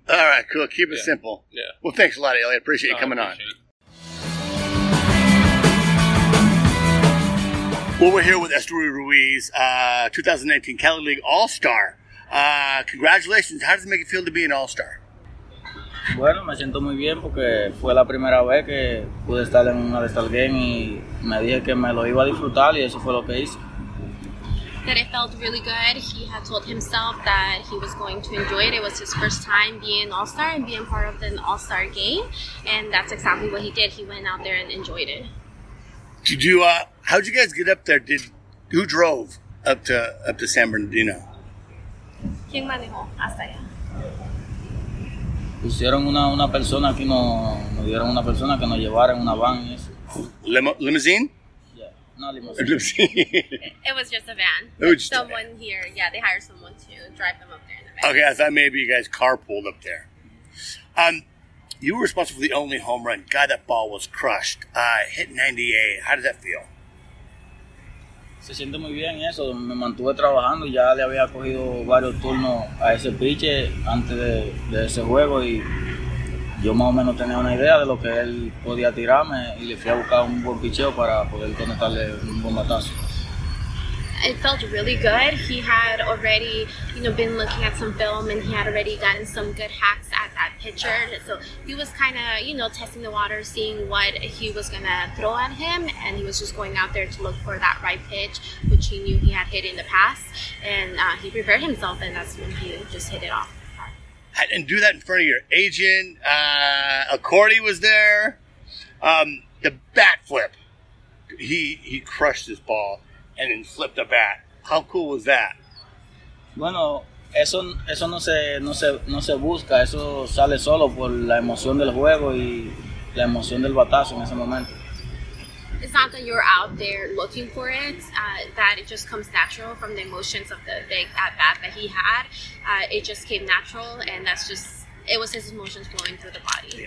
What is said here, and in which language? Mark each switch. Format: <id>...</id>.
<en>All right, cool. Keep it simple. Yeah. Well, thanks a lot, Eli. Appreciate you coming on. Well, we're here with Estuary Ruiz, 2019 Cali League All-Star. Congratulations. How does it make you feel to be an All-Star?</en> <es>Bueno, me siento muy bien porque fue la primera vez que pude estar en un All-Star game y me dije que me lo iba a disfrutar y eso fue lo que hice.</es> <en>That it felt really good. He had told himself that he was going to enjoy it. It was his first time being an All-Star and being part of an All-Star game. And that's exactly what he did. He went out there and enjoyed it. Did you, how'd you guys get up there? Who drove up to San Bernardino?</en> <es>¿Quién manejó hasta allá? Pusieron una persona aquí, nos dieron una persona que nos llevara en una van.</es> <en>Limousine? Yeah, not limousine. It was just a van. They hired someone to drive them up there in the van. Okay, I thought maybe you guys carpooled up there. You were responsible for the only home run. God, that ball was crushed. Hit 98. How did that feel?</en> <es>Se siente muy bien eso. Me mantuve trabajando. Ya le había cogido varios turnos a ese pitch antes de ese juego. Y yo más o menos tenía una idea de lo que él podía tirarme. Y le fui a buscar un buen picheo para poder conectarle un buen batazo.</es> <en>It felt really good. He had already, you know, been looking at some film and he had already gotten some good hacks at that pitcher. So he was kind of, you know, testing the water, seeing what he was going to throw at him. And he was just going out there to look for that right pitch, which he knew he had hit in the past. And he prepared himself, and that's when he just hit it off. And do that in front of your agent. Accordi was there. The bat flip. He crushed his ball. And then flipped the bat. How cool was that?</en> <es>Bueno, eso no se busca. Eso sale solo por la emoción del juego y la emoción del batazo en ese momento.</es> <en>It's not that you're out there looking for it. That it just comes natural from the emotions of the big at bat that he had. It just came natural, and that's just it was his emotions flowing through the body.</en>